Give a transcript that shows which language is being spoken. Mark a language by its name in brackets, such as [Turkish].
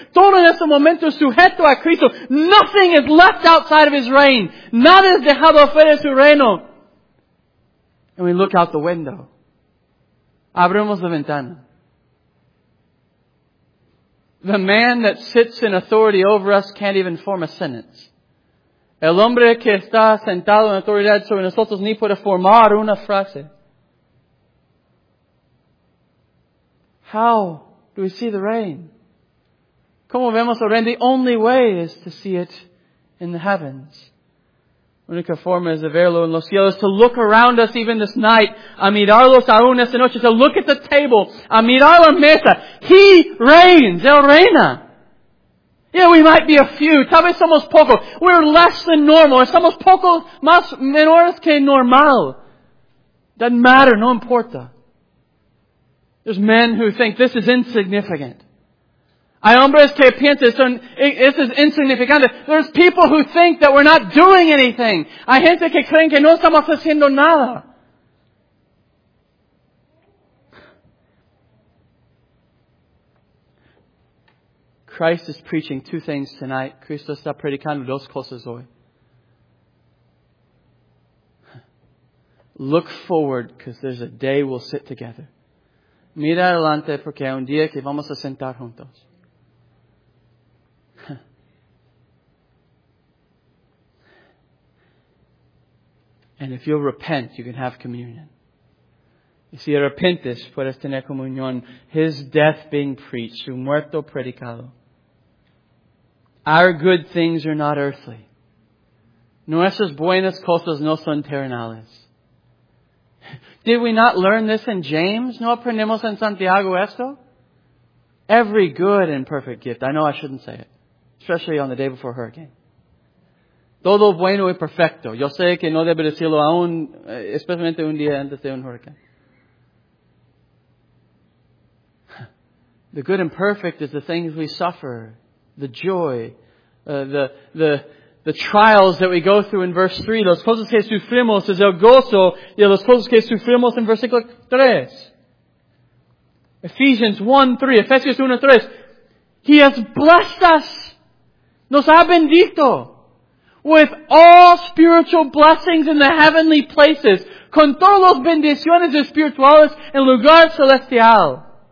[Spanish] Todo en este momento es sujeto a Cristo. [English] Nothing is left outside of His reign. [Spanish] Nada es dejado fuera de su reino. [English] And we look out the window. [Spanish] Abrimos la ventana. [English] The man that sits in authority over us can't even form a sentence. [Spanish] El hombre que está sentado en autoridad sobre nosotros ni puede formar una frase. [English] How do we see the rain? [Spanish] ¿Cómo vemos el rain? [English] The only way is to see it in the heavens. [Spanish] La única forma es de verlo en los cielos. [English] To look around us even this night. [Spanish] A mirarlos aún esta noche. [English] To look at the table. [Spanish] A mirar la mesa. [English] He reigns. [Spanish] Él reina. [English] Yeah, we might be a few. [Spanish] Tal vez somos pocos. [English] We're less than normal. [Spanish] Somos pocos más menores que normal. [English] Doesn't matter. [Spanish] No importa. [English] There's men who think this is insignificant. [Spanish] Hay hombres que piensan, [English] this is insignificant. There's people who think that we're not doing anything. [Spanish] Hay gente que creen que no estamos haciendo nada. [English] Christ is preaching two things tonight. [Spanish] Cristo está predicando dos cosas hoy. [English] Look forward, because there's a day we'll sit together. [Spanish] Mira adelante, porque hay un día que vamos a sentar juntos. [English] And if you'll repent, you can have communion. [Spanish] Y si arrepentes, puedes tener comunión. [English] His death being preached, [Spanish] su muerto predicado. [English] Our good things are not earthly. [Spanish] Nuestras buenas cosas no son terrenales. [English] Did we not learn this in James? [Spanish] No aprendimos en Santiago esto? [English] Every good and perfect gift. I know I shouldn't say it. Especially on the day before a hurricane. [Spanish] Todo bueno y perfecto. Yo sé que no debe decirlo aún, especialmente un día antes de un hurricane. [English] The good and perfect is the things we suffer. The joy. The trials that we go through in verse 3. [Spanish] Los cosas que sufrimos es el gozo y los cosas que sufrimos en versículo 3. [English] Ephesians 1:3. Ephesians 1:3. He has blessed us. [Spanish] Nos ha bendito. [English] With all spiritual blessings in the heavenly places. [Spanish] Con todas las bendiciones espirituales en lugar celestial.